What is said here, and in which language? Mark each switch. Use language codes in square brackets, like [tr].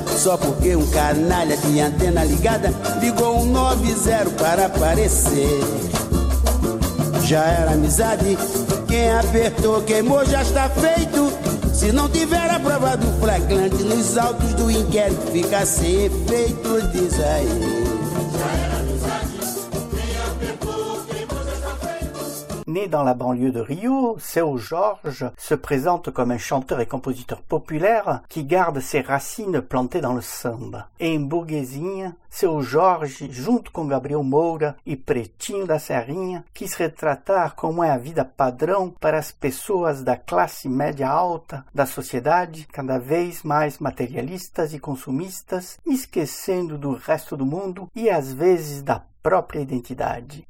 [pt] Só porque um canalha de antena ligada ligou um 90 para aparecer. Já era amizade, quem apertou queimou, já está feito. Se não tiver a prova do flagrante, nos autos do inquérito fica sem efeito, diz aí. [fr] Né dans la banlieue de Rio, Seu Jorge se présente comme un chanteur et compositeur populaire qui garde ses racines plantées dans le samba. [pt] Em Burguesinha, Seu Jorge, junto com Gabriel Moura e Pretinho da Serrinha, quis retratar como é a vida padrão para as pessoas da classe média alta da sociedade, cada vez mais materialistas e consumistas, esquecendo do resto do mundo e às vezes da [fr] propre [pt] identidade.